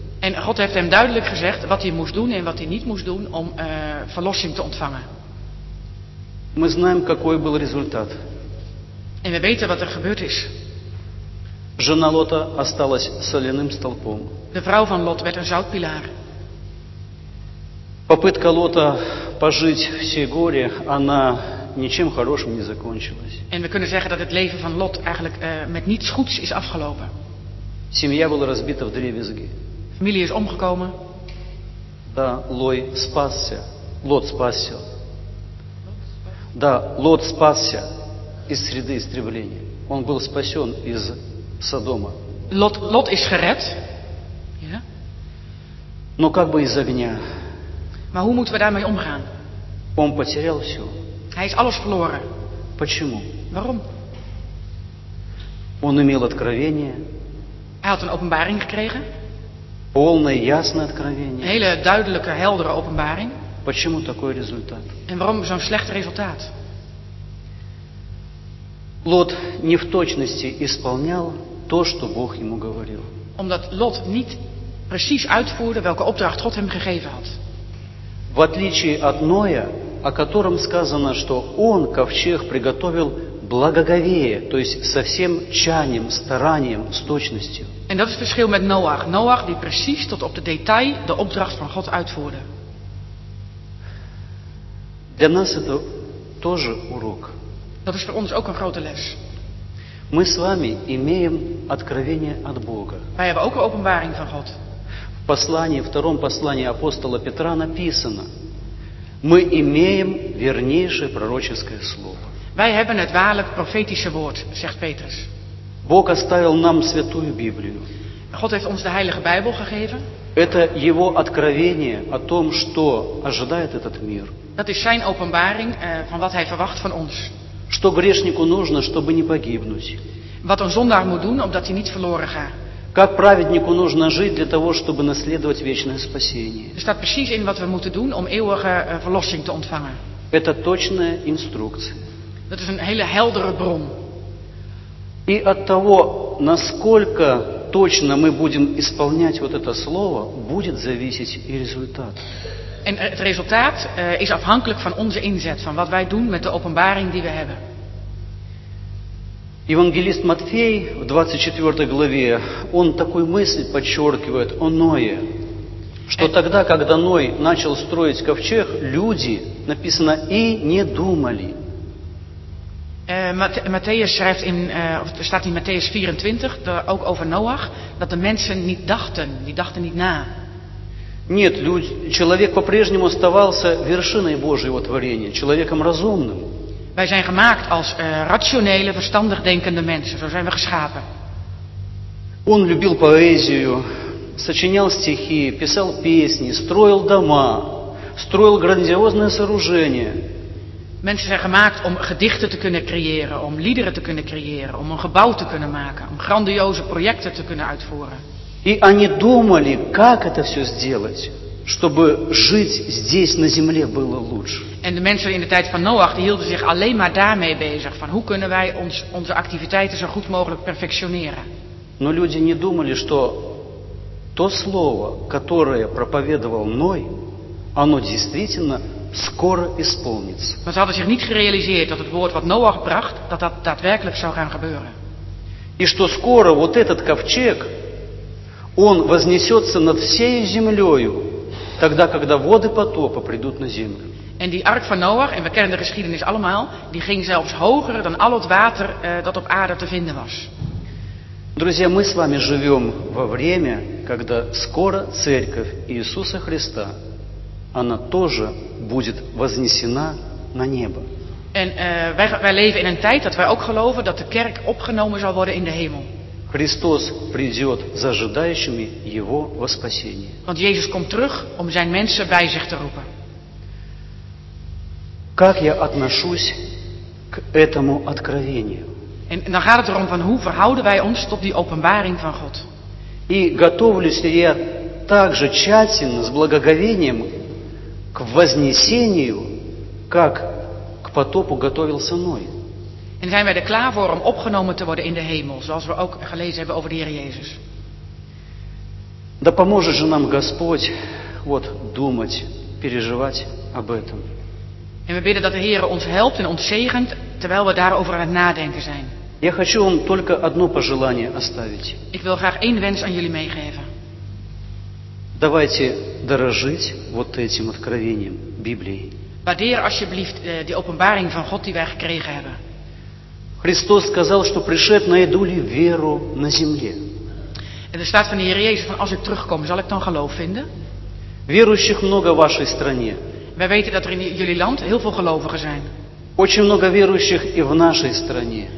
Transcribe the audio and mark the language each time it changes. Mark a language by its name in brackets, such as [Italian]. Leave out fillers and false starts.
[Dutch] En God heeft hem duidelijk gezegd wat hij moest doen en wat hij niet moest doen om verlossing te ontvangen. [Russian] Мы знаем, какой был результат. [Dutch] En we weten wat er gebeurd is. [Russian] Жена Лота осталась соляным столпом. [Dutch] De vrouw van Lot werd een zoutpilaar. [Russian] Попытка Лота пожить в Сигоре, она ничем хорошим не закончилась. [Dutch] En we kunnen zeggen dat het leven van Lot eigenlijk met niets goeds is afgelopen. [Russian] Семья была разбита вдребезги. [Dutch] Familie is omgekomen. [Russian] Да, Лой спасся. Лот спасся. Да, Лот спасся из среды истребления. Он был спасен из Содома. [Dutch] Лот is gered. Ja. [Russian] Но как бы из огня. [Dutch] Maar hoe moeten we daarmee omgaan? [Russian] Он потерял все. [Dutch] Hij is alles verloren. [Russian] Почему? [Dutch] Waarom? [Russian] Он имел откровение. [Dutch] Hij had een openbaring gekregen. [Russian] Полное, ясное откровение. [Dutch] Een hele duidelijke, heldere openbaring. [Russian] Почему такой результат? [Dutch] En waarom zo'n slecht resultaat? [Russian] Лот не в точности исполнял то, что Бог ему говорил. [Dutch] Omdat Lot niet precies uitvoerde welke opdracht God hem gegeven had. [Russian] В отличие от Ноя, о котором сказано, что он ковчег приготовил благоговее, то есть со всем тщанием, старанием, с точностью. [Dutch] En dat is het verschil met Noach. Noach die precies tot op de detail de opdracht van God uitvoerde. [Russian] Для нас это тоже урок. [Dutch] Dat is voor ons ook een grote les. [Russian] Мы с вами имеем откровение от Бога. [Dutch] Wij hebben ook een openbaring van God. [Russian] В послании, втором послании апостола Петра написано: мы имеем вернейшее пророческое слово. [Dutch] Wij hebben het waarlijk profetische woord, zegt Petrus. [Russian] Бог оставил нам святую Библию. [Dutch] God heeft ons de Heilige Bijbel gegeven. [Russian] Это его откровение о том, что ожидает этот мир. [Dutch] Dat is zijn openbaring van wat hij verwacht van ons. [Russian] Что грешнику нужно, чтобы не погибнуть. [Dutch] Wat een zondaar moet doen, opdat hij niet verloren gaat. [Russian] Как праведнику нужно жить для того, чтобы наследовать вечное спасение. [Dutch] Er staat precies in wat we moeten doen om eeuwige verlossing te ontvangen. [Russian] Это точная инструкция. [Dutch] Dat is een hele heldere bron. [Russian] И от того, насколько точно мы будем исполнять вот это слово, будет зависеть и результат. [Dutch] En het resultaat is afhankelijk van onze inzet, van wat wij doen met de openbaring die we hebben. [Russian] Евангелист Матфей в 24 главе, он такую мысль подчеркивает о Ное, что тогда, когда Ной начал строить ковчег, люди, написано, и не думали. [Dutch] Matthäus schrijft in, staat in Matthäus 24, ook over Noach, dat de mensen niet dachten, die dachten niet na. [Russian] Нет, человек по-прежнему оставался вершиной Божьего творения, человеком разумным. [Dutch] Wij zijn gemaakt als rationele, verstandig denkende mensen. Zo zijn we geschapen. [Russian] Он любил поэзию, сочинял стихи, писал песни, строил дома, строил грандиозные сооружения. [Dutch] Mensen zijn gemaakt om gedichten te kunnen creëren, om liederen te kunnen creëren, om een gebouw te kunnen maken, om grandioze projecten te kunnen uitvoeren. [Russian] И они думали, как это все сделать, чтобы жить здесь на земле было лучше. [Dutch] En de mensen in de tijd van Noach die hielden zich alleen maar daarmee bezig. Van hoe kunnen wij onze activiteiten zo goed mogelijk perfectioneren. [Russian] Но люди не думали, что то слово, которое проповедовал Ной, оно действительно скоро исполнится. [Dutch] Maar ze hadden zich niet gerealiseerd dat het woord wat Noach bracht, dat daadwerkelijk zou gaan gebeuren. [Russian] И что скоро вот этот ковчег, он вознесется над всей землею, тогда, когда воды потопа придут на землю. [Dutch] En die ark van Noach, en we kennen de geschiedenis allemaal, die ging zelfs hoger dan al het water dat op aarde te vinden was. [Russian] Друзья, мы с вами живем во время, когда скоро церковь Иисуса Христа, она тоже будет вознесена на небо. [Dutch] En wij leven in een tijd dat wij ook geloven dat de kerk opgenomen zal worden in de hemel. [Russian] Христос придет за ожидающими Его во спасение. [Dutch] Want Jezus komt terug om zijn mensen bij zich te roepen. [Russian] Как я отношусь к этому откровению? [Dutch] En dan gaat het erom van hoe verhouden wij ons tot die openbaring van God? [Russian] И готовлюсь ли я так же тщательно, с благоговением, к вознесению, как к потопу готовился Ной? [Dutch] En zijn wij er klaar voor om opgenomen te worden in de hemel, zoals we ook gelezen hebben over de Heer Jezus? [Russian] Да поможет же нам Господь вот думать, переживать об этом. [Dutch] En we bidden dat de Heer ons helpt en ons zegent terwijl we daarover aan het nadenken zijn. [Russian] Я хочу вам только одно пожелание оставить. [Dutch] Ik wil graag één wens aan jullie meegeven. [Russian] Давайте дорожить вот этим откровением Библии. [Dutch] Waardeer alsjeblieft die openbaring van God die wij gekregen hebben. [Russian] Христос сказал, что пришед, найду ли веру на земле. [Dutch] En er staat van de Heer Jezus van als ik terugkom, zal ik dan geloof vinden? [Russian] Верующих много в вашей стране. [Dutch] Wij weten dat er in jullie land heel veel gelovigen zijn. [Russian] Очень много верующих и в нашей стране.